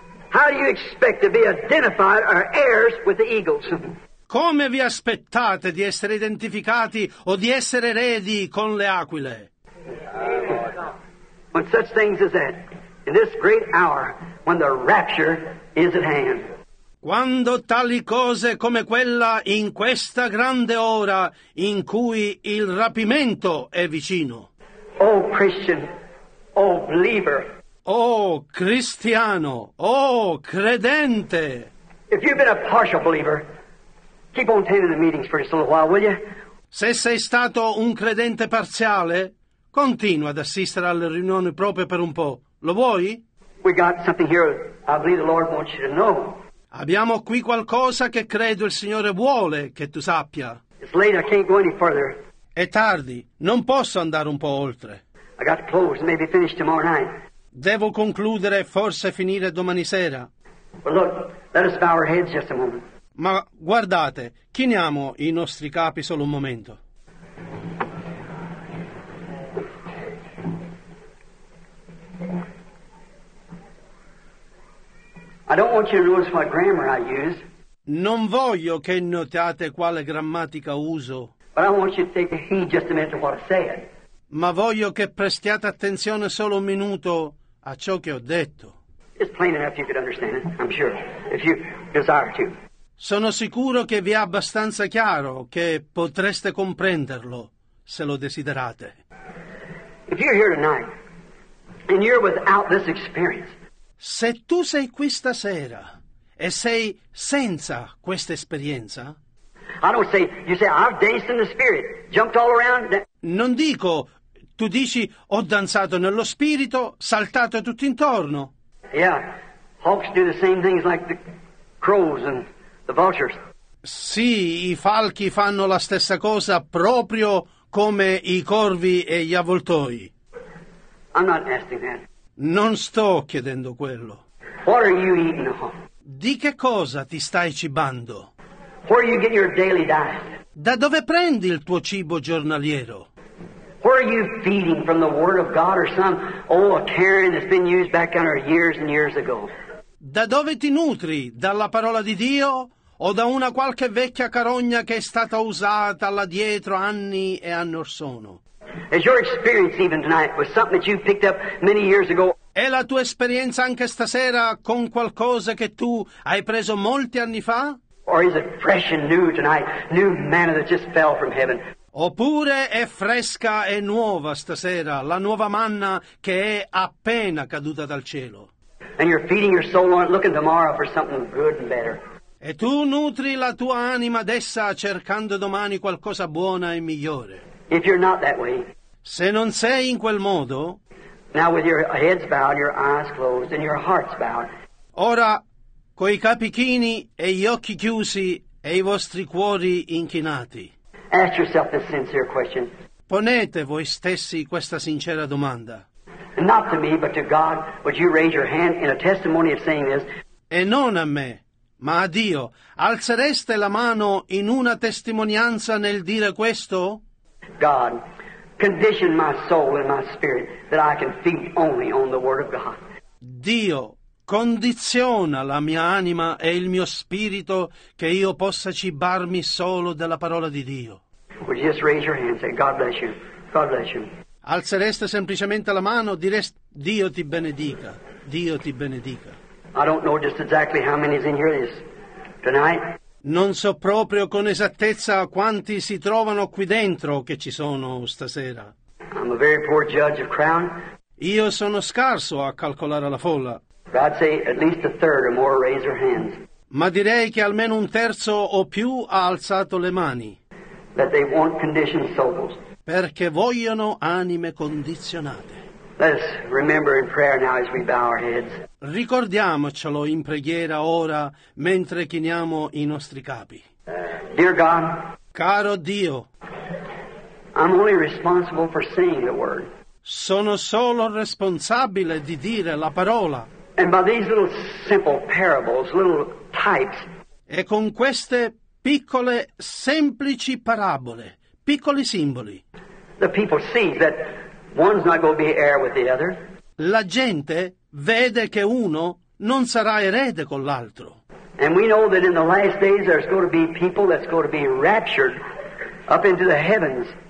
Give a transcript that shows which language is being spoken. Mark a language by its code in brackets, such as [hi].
[en] How do you expect to be identified or heirs with the eagles? [it] Come vi aspettate di essere identificati o di essere eredi con le aquile? [en] When such things as that, in this great hour, when the rapture is at hand. [it] Quando tali cose come quella in questa grande ora in cui il rapimento è vicino. [en] Oh Christian, oh believer. [it] Oh cristiano, oh credente. [en] If you've been a partial believer, keep on attending the meetings for just a little while, will you? [it] Se sei stato un credente parziale, continua ad assistere alle riunioni proprie per un po'. Lo vuoi? [en] We got something here I believe the Lord wants you to know. [it] Abbiamo qui qualcosa che credo il Signore vuole che tu sappia. [en] It's late, I can't go any further. [it] È tardi, non posso andare un po' oltre. [en] I got to close, maybe finish tomorrow night. [it] Devo concludere, forse finire domani sera. [en] Well, look, let us bow our heads just a moment. [it] Ma guardate, chiniamo i nostri capi solo un momento. [en] I don't want you to notice what grammar I use. [it] Non voglio che notiate quale grammatica uso. [en] But I want you to take heed just a minute to what I said. [it] Ma voglio che prestiate attenzione solo un minuto a ciò che ho detto. [en] It's plain enough you could understand it, I'm sure, if you desire to. [it] Sono sicuro che vi è abbastanza chiaro che potreste comprenderlo se lo desiderate. [en] If you're here tonight and you're without this experience. [it] Se tu sei qui stasera e sei senza questa esperienza. [en] I don't say, you say, I've danced in the spirit, jumped all around. [it] Non dico, tu dici, ho danzato nello spirito, saltato tutto intorno. [en] Yeah, hawks do the same things like the crows and the vultures. [it] Sì, i falchi fanno la stessa cosa proprio come i corvi e gli avvoltoi. [en] I'm not asking that. [it] Non sto chiedendo quello. [en] What are you eating? [it] Di che cosa ti stai cibando? [en] Where you get your daily diet? [it] Da dove prendi il tuo cibo giornaliero? [en] Where are you feeding from the Word of God or some old Karen that's been used back in our years and years ago? [it] Da dove ti nutri? Dalla parola di Dio o da una qualche vecchia carogna che è stata usata là dietro anni e anni or sono? [en] Is your experience even tonight with something that you picked up many years ago? [it] È la tua esperienza anche stasera con qualcosa che tu hai preso molti anni fa? [en] Or is it fresh and new tonight, new manna that just fell from heaven? [it] Oppure è fresca e nuova stasera la nuova manna che è appena caduta dal cielo? [en] And you're feeding your soul on it, looking tomorrow for something good and better. [it] E tu nutri la tua anima adessa cercando domani qualcosa buona e migliore. [en] If you're not that way, [it] se non sei in quel modo, [en] now with your heads bowed, your eyes closed, and your hearts bowed, [it] ora coi capi chini e gli occhi chiusi e i vostri cuori inchinati, [en] ask yourself this sincere question. [it] Ponete voi stessi questa sincera domanda. [en] Not to me, but to God, would you raise your hand in a testimony of saying this? [it] E non a me, ma a Dio, alzereste la mano in una testimonianza nel dire questo? [en] God, condition my soul and my spirit that I can feed only on the Word of God. [it] Dio, condiziona la mia anima e il mio spirito che io possa cibarmi solo della parola di Dio. [en] Would you just raise your hand and say, God bless you, God bless you. [it] Alzereste semplicemente la mano, direste, Dio ti benedica, Dio ti benedica. [en] I don't know just exactly how many is in here this tonight. [it] Non so proprio con esattezza quanti si trovano qui dentro che ci sono stasera. [en] I'm a very poor judge of crowd. [it] Io sono scarso a calcolare la folla. [en] But I'd say at least a third or more raise their hands. [it] Ma direi che almeno un terzo o più ha alzato le mani. [en] That they want conditioned souls. [it] Perché vogliono anime condizionate. [en] Let's remember in prayer now as we bow our heads. [it] Ricordiamocelo in preghiera ora mentre chiniamo i nostri capi. [en] Dear God, [it] caro Dio, [en] I'm only responsible for saying the word. [it] Sono solo responsabile di dire la parola. [en] And by these little simple parables, little types, [it] e con queste piccole semplici parabole, piccoli simboli, [en] the people see that one's not going to be heir with the other. [it] La gente vede che uno non sarà erede con l'altro. [en] And we know that in the last days there's going to be people that's going to be raptured up into the heavens.